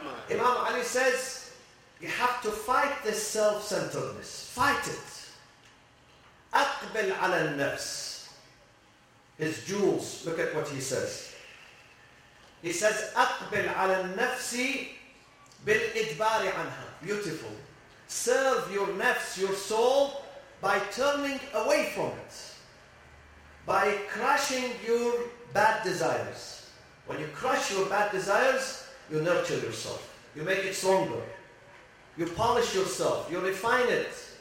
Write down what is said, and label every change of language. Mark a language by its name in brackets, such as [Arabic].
[English] Imam Ali says, you have to fight this self-centeredness. Fight it. [Arabic] أقبل على النفس. [English] His jewels, look at what he says. He says, [Arabic] أقبل على النفس بالإدبار عنها. [English] Beautiful. Serve your nafs, your soul, by turning away from it. By crushing your bad desires. When you crush your bad desires, you nurture yourself. You make it stronger. You polish yourself. You refine it.